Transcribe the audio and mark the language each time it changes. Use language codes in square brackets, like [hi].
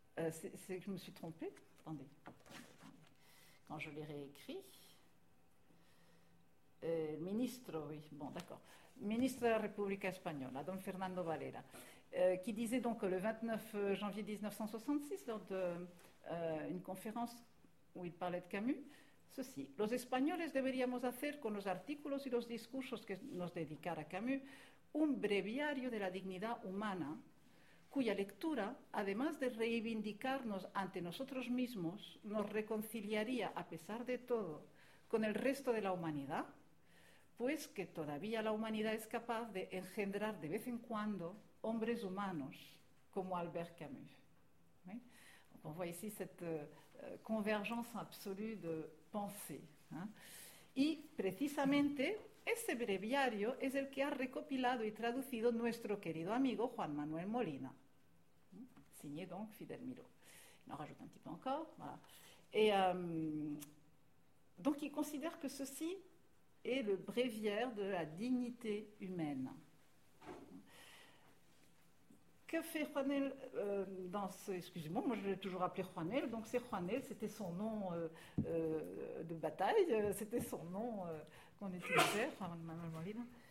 [fr] C'est que je me suis trompée. Attendez. Quand je l'ai réécrit. Ministre, oui, bon, d'accord. Ministre de la République espagnole, Don Fernando Valera, qui disait donc le 29 janvier 1966, lors d'une conférence où il parlait de Camus, ceci. [es] Los españoles deberíamos hacer con los artículos y los discursos que nos dedicara Camus un breviario de la dignidad humana, cuya lectura, además de reivindicarnos ante nosotros mismos, nos reconciliaría, a pesar de todo, con el resto de la humanidad, pues que todavía la humanidad es capaz de engendrar de vez en cuando hombres humanos como Albert Camus. ¿Sí? [fr] On voit ici cette convergence absolue de pensée. [es] ¿Sí? Y precisamente ese breviario es el que ha recopilado y traducido nuestro querido amigo Juan Manuel Molina. ¿Sí? [fr] Signé donc Fidel Miró. On en rajoute un petit peu encore. Voilà. Et, donc il considère que ceci est le bréviaire de la dignité humaine. Que fait Juanel dans ce... Excusez-moi, moi je l'ai toujours appelé Juanel, donc c'est Juanel, c'était son nom de bataille, c'était son nom qu'on utilisait, Manuel Molina.